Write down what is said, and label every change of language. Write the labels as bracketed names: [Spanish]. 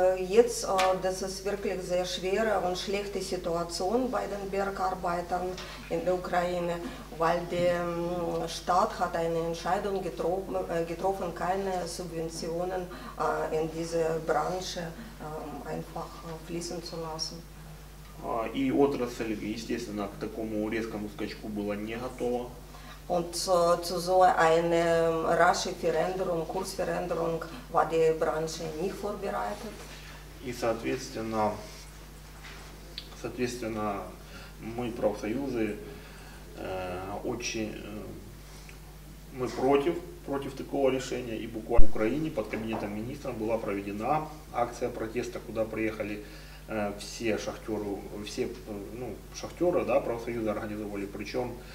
[German] Jetzt, das ist wirklich sehr schwere und schlechte Situation bei den Bergarbeitern in der Ukraine, weil der Staat hat eine Entscheidung getroffen, keine Subventionen in diese Branche einfach fließen zu lassen. [Russian] И отрасль, естественно, к такому резкому скачку была не готова. Und zu so einer raschen Veränderung, Kursveränderung war die Branche nicht vorbereitet. И соответственно, мы профсоюзы очень мы против такого решения. И буквально в Украине под кабинетом министра была проведена акция протеста, куда приехали все шахтеры, да, профсоюзы организовали, причем